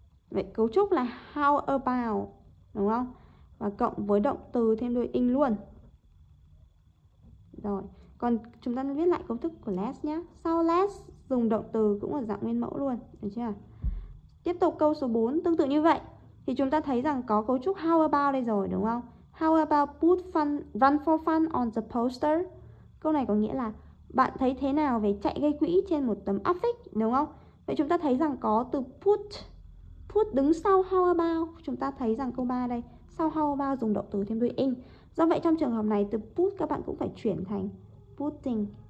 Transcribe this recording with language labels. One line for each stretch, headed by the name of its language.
Vietnamese: Vậy cấu trúc là
English: how about,
Vietnamese: đúng không? Và cộng với động từ thêm đuôi ing luôn. Rồi, còn chúng ta viết lại công thức của less nhé. Sau less dùng động từ cũng ở dạng nguyên mẫu luôn, được chưa? Tiếp tục câu số 4, tương tự như vậy. Thì chúng ta thấy rằng có cấu trúc
English: how about
Vietnamese: đây rồi, đúng không?
English: How about put fun, run for fun on the poster?
Vietnamese: Câu này có nghĩa là bạn thấy thế nào về chạy gây quỹ trên một tấm affix, đúng không? Vậy chúng ta thấy rằng có từ put, put đứng sau how about. Chúng ta thấy rằng câu 3 đây, sau how about dùng động từ thêm đuôi ing. Do vậy trong trường hợp này từ put các bạn cũng phải chuyển thành putting.